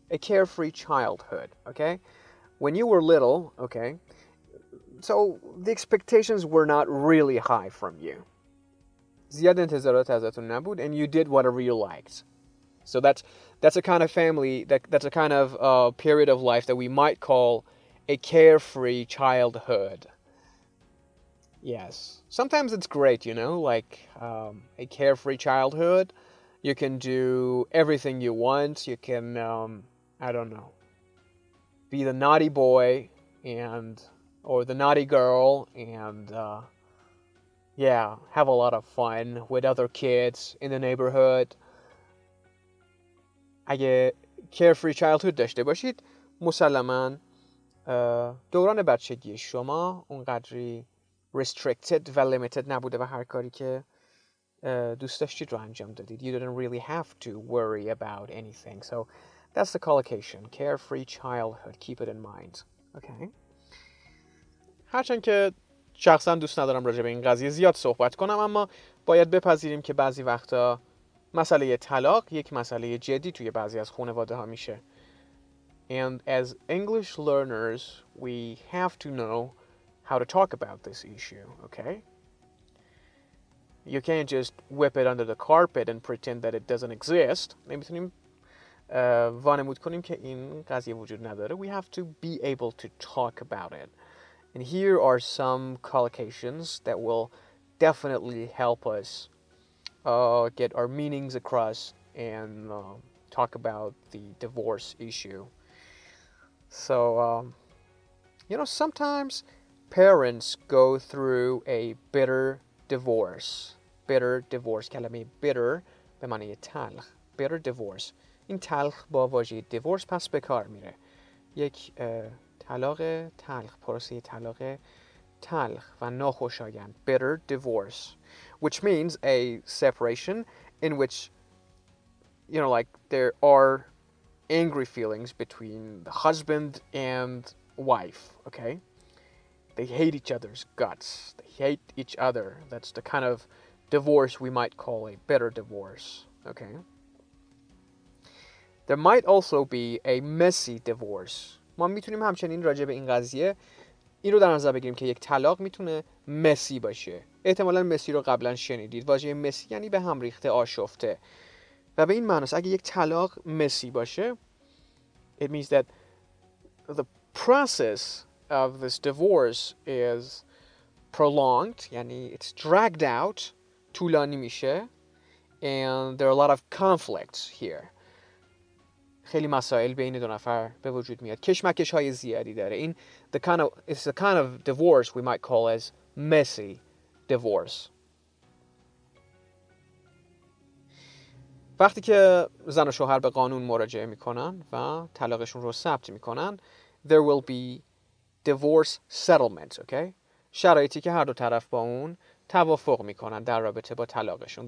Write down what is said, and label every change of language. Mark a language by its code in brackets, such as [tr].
[en] A carefree childhood, okay? When you were little, okay? So the expectations were not really high from you. [fa] زیاد انتظارات ازتون نبود [en] and you did whatever you liked. So that's a kind of family, that's a kind of period of life that we might call a carefree childhood. Yes. Sometimes it's great, you know, like a carefree childhood. You can do everything you want. You can, I don't know, be the naughty boy and... or the naughty girl, and, yeah, have a lot of fun with other kids in the neighborhood. [fa] اگه carefree childhood داشته باشید، مسلماً دوران بچگی شما اونقدری restricted و limited نبوده و هر کاری که دوست داشتید رو انجام دادید. [en] You didn't really have to worry about anything. So that's the collocation, carefree childhood. Keep it in mind, okay? [fa] هرچند که شخصا دوست ندارم راجع به این قضیه زیاد صحبت کنم، اما باید بپذیریم که بعضی وقتا مسئله طلاق یک مسئله جدی توی بعضی از خانواده ها میشه. [en] And as English learners, we have to know how to talk about this issue, okay? You can't just whip it under the carpet and pretend that it doesn't exist. [fa] نمیتونیم وانمود کنیم که این قضیه وجود نداره. [en] We have to be able to talk about it. And here are some collocations that will definitely help us get our meanings across and talk about the divorce issue. So, you know, sometimes parents go through a bitter divorce. Bitter divorce. [fa] کلمه bitter به معنی تلخ. [en] Bitter divorce. [fa] این تلخ با واژه divorce پس به کار میره. یک... طلاق تلخ، پروسه طلاق تلخ و ناخوشایند، [en] bitter divorce, which means a separation in which, you know, like there are angry feelings between the husband and wife, okay? They hate each other's guts, they hate each other. That's the kind of divorce we might call a bitter divorce, okay? There might also be a messy divorce. [fa] ما میتونیم همچنین راجع به این قضیه این رو در نظر بگیریم که یک طلاق میتونه مسی باشه. احتمالاً مسی رو قبلا شنیدید. واژه مسی یعنی به هم ریخته، آشفته. و به این معنی اگه یک طلاق مسی باشه، [en] it means that the process of this divorce is prolonged, [fa] یعنی [en] it's dragged out، [fa] طولانی میشه. [en] And there are a lot of conflicts here. [fa] خیلی مسائل بین دو نفر به وجود میاد. کشمکش های زیادی داره. [en] این the kind of, it's the kind of divorce we might call as messy divorce. [fa] وقتی که زن و شوهر به قانون مراجعه میکنن و طلاقشون رو ثبت میکنن, [en] there will be divorce settlement, okay? [fa] شرایطی که هر دو طرف با اون توافق میکنن در رابطه با طلاقشون.